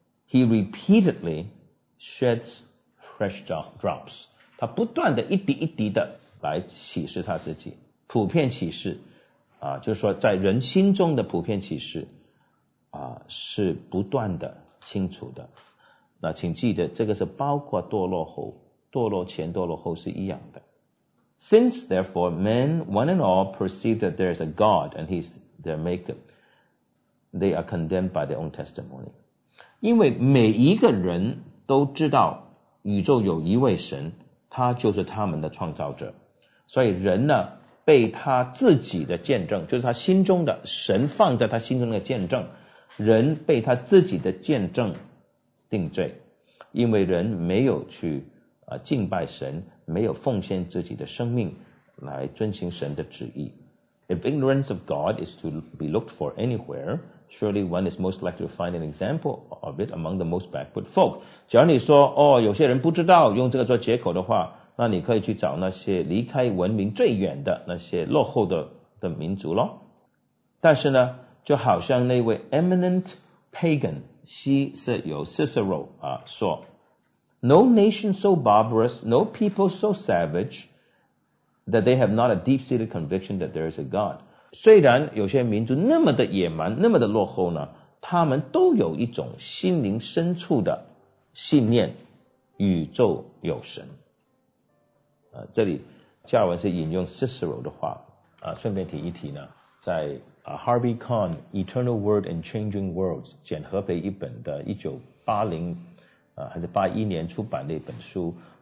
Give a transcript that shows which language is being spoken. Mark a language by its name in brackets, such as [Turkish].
[English] He repeatedly sheds fresh drops, [Chinese] 他不断的一滴一滴的来启示他自己。普遍启示啊，就是说在人心中的普遍启示啊，是不断的清楚的。那请记得，这个是包括堕落后、堕落前、堕落后是一样的。 [English] Since therefore men one and all perceive that there is a God and he's their maker, they are condemned by their own testimony. [Chinese] 因为每一个人都知道宇宙有一位神，他就是他们的创造者，所以人呢被他自己的见证，就是他心中的神放在他心中的见证，人被他自己的见证定罪，因为人没有去敬拜神，没有奉献自己的生命来遵行神的旨意。 [English] If ignorance of God is to be looked for anywhere, surely one is most likely to find an example of it among the most backward folk. [Chinese] 假如你说哦，有些人不知道，用这个做借口的话，那你可以去找那些离开文明最远的那些落后 的民族咯。但是呢，就好像那位 [English] eminent pagan [Chinese] 西瑟有 [English] Cicero [Chinese] 啊说 [English] No nation so barbarous, no people so savage that they have not a deep-seated conviction that there is a God. [Chinese] 虽然有些民族那么的野蛮，那么的落后呢，他们都有一种心灵深处的信念，宇宙有神。这里加尔文是引用 Cicero 的话啊，顺便提一提呢，在 Harvey Kahn Eternal World and Changing Worlds 简和培一本的1980还是81年出版的一本书